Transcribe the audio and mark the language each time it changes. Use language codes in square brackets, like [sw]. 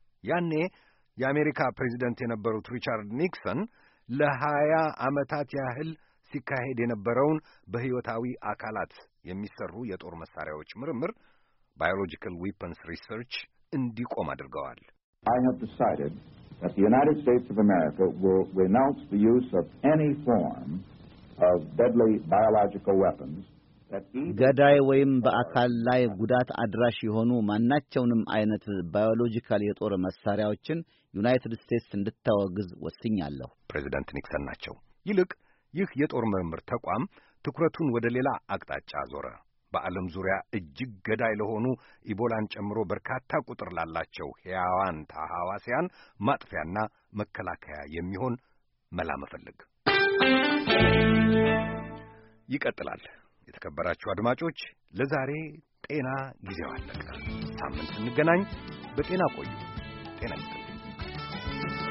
[am] ያኔ የአሜሪካ ፕሬዚደንት የነበሩት ሪቻርድ ኒክሰን ለ20 ዓመታት ያህል ሲካሄድ የነበረውን በሕይወታዊ አካላት የሚሰሩ የጦር መሳሪያዎች ምርምር ባዮሎጂካል ዌፐንስ ሪሰርች እንዲቆም አድርገዋል። [en] I have decided that the United States of America will renounce the use of any form of deadly biological weapons that [am] ገዳይ ወይም በአካል ላይ ጉዳት አድራሽ የሆኑ ማናቸውንም አይነት ባዮሎጂካል የጦር መሳሪያዎችን ዩናይትድ ስቴትስ እንድታወግዝ ወስኛለሁ። ፕሬዚዳንት ኒክሰን ናቸው። ይልቅ ይህ የጦር ምርምር ተቋም ትኩረቱን ወደ ሌላ አቅጣጫ አዞረ። በዓለም ዙሪያ እጅግ ገዳይ ለሆኑ ኢቦላን ጨምሮ በርካታ ቁጥር ላላቸው ሕያዋን ተሐዋስያን ማጥፊያና መከላከያ የሚሆን መላ መፈለግ ይቀጥላል። የተከበራችሁ አድማጮች፣ ለዛሬ ጤና ጊዜው አለቀ። ሳምንት እንገናኝ። በጤና ቆዩ። ጤና ይስጥልኝ።